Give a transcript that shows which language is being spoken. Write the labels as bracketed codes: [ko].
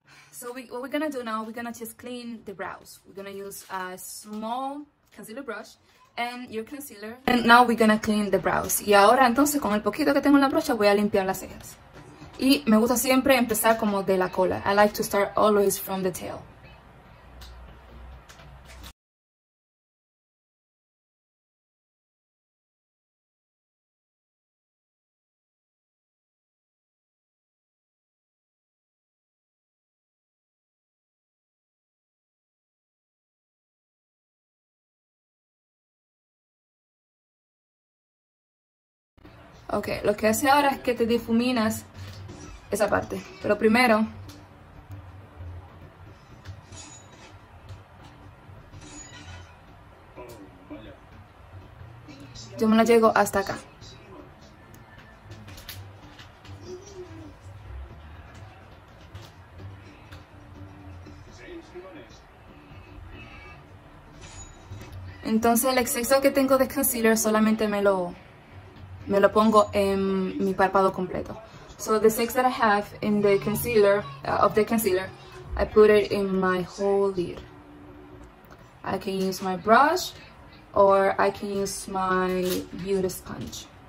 [en] So what we're gonna do now, we're gonna just clean the brows. We're gonna use a small concealer brush and your concealer. And now we're gonna clean the brows. [es] Y ahora entonces con el poquito que tengo en la brocha voy a limpiar las cejas. Y me gusta siempre empezar como de la cola. [en] I like to start always from the tail. [es] Ok, lo que hace ahora es que te difuminas esa parte, pero primero yo me la llego hasta acá. Entonces el exceso que tengo de concealer solamente me lo pongo en mi párpado completo. [en] So the six that I have in the concealer, of the concealer, I put it in my whole lid. I can use my brush or I can use my beauty sponge.